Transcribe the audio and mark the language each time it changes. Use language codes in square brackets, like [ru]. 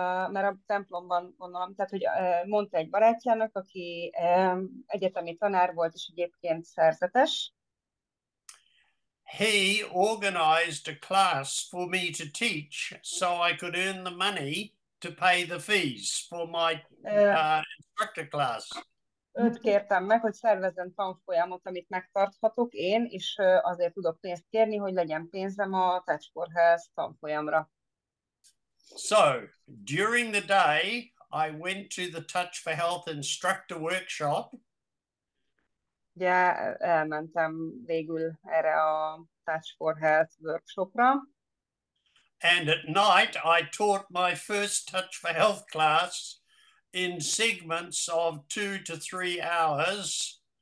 [hu] Mert a templomban gondolom, tehát hogy mondta egy barátjának, aki egyetemi tanár volt, és egyébként szerzetes. [en] He organized a class for me to teach, so I could earn the money to pay the fees for my instructor class. [hu] Őt kértem meg, hogy szervezzen tanfolyamot, amit megtarthatok én, és azért tudok pénzt kérni, hogy legyen pénzem a Touch for Health tanfolyamra. [en] So, during the day, I went to the Touch for Health instructor workshop. [hu] Ugye elmentem végül erre a Touch for Health workshopra. [en] And at night, I taught my first Touch for Health class in segments of 2 to 3 hours.